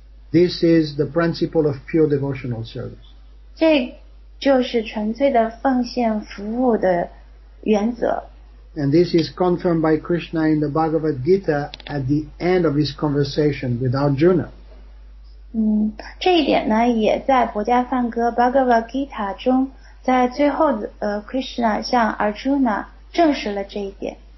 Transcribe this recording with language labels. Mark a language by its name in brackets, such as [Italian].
[English] This is the principle of pure devotional service [Chinese] 这就是纯粹的奉献服务的原则。 [English] And this is confirmed by Krishna in the Bhagavad Gita at the end of his conversation with Arjuna. [Chinese] 这一点呢也在博迦梵歌 Bhagavad Gita 中在最后Krishna 向 Arjuna 证实了这一点。